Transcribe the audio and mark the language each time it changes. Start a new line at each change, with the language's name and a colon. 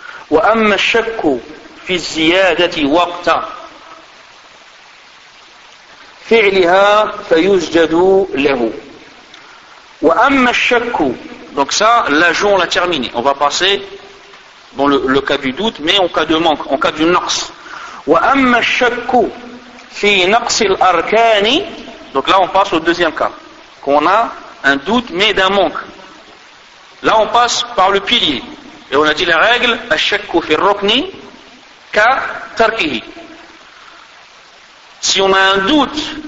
Arabic: وأما الشك في الزيادة وقت فعلها فيسجد له. وأما الشك,
French: donc ça, l'ajout on l'a terminé. On va passer dans le cas du doute, mais en cas de manque, en cas du naqs.
Arabic: وأما الشك في نقص الأركان,
French: donc là on passe au deuxième cas, qu'on a un doute mais d'un manque. Là on passe par le pilier. Et on a dit la règle,
Arabic: ash-shakku fi ar-rukni ka tarkihi.
French: Si on a un doute